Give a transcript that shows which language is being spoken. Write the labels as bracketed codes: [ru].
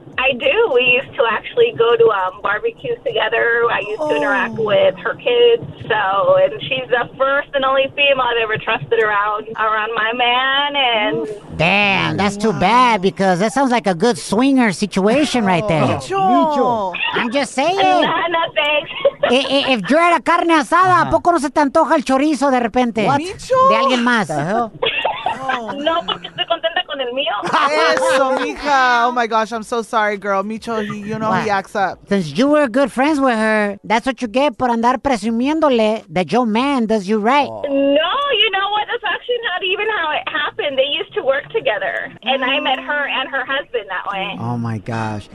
[en] I do. We used to actually go to barbecues together. I used to interact with her kids. So, and she's the first and only female I've ever trusted around my man. And damn, that's too bad, because that sounds like a good swinger situation right there. Micho. I'm just saying. Nothing. [es] If yo era carne asada, ¿a poco no se te antoja el chorizo de repente? Micho. De alguien más. [en] The hell? Oh, no, [es] porque estoy contenta con el mío. Eso, mija. [en] Oh, my gosh. I'm so sorry, girl. Micho, he acts up. Since you were good friends with her, that's what you get [es] por andar presumiéndole [en] that your man does you right. Oh. No, you know what? That's actually not even how it happened. They used to work together, and I met her and her husband that way. Oh, my gosh.